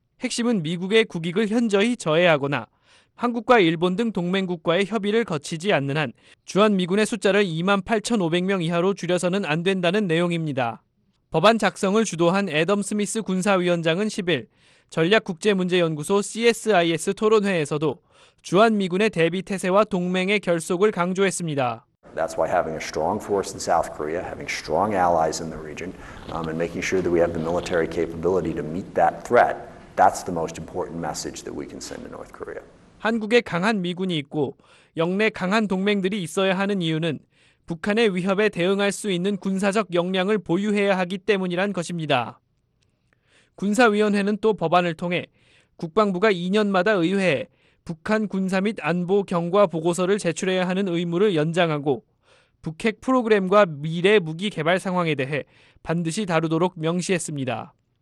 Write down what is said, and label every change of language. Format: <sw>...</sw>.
<ko>핵심은 미국의 국익을 현저히 저해하거나 한국과 일본 등 동맹국과의 협의를 거치지 않는 한 주한미군의 숫자를 2만 8,500명 이하로 줄여서는 안 된다는 내용입니다. 법안 작성을 주도한 애덤 스미스 군사위원장은 10일 전략국제문제연구소 CSIS 토론회에서도 주한미군의 대비태세와 동맹의 결속을 강조했습니다.</ko> <en>That's why having a strong force in South Korea, having strong allies in the region, and making sure that we have the military capability to meet that threat, that's the most important message that we can send to North Korea.</en> <ko>한국에 강한 미군이 있고 역내 강한 동맹들이 있어야 하는 이유는 북한의 위협에 대응할 수 있는 군사적 역량을 보유해야 하기 때문이란 것입니다. 군사위원회는 또 법안을 통해 국방부가 2년마다 의회에 북한 군사 및 안보 경과 보고서를 제출해야 하는 의무를 연장하고 북핵 프로그램과 미래 무기 개발 상황에 대해 반드시 다루도록 명시했습니다.</ko>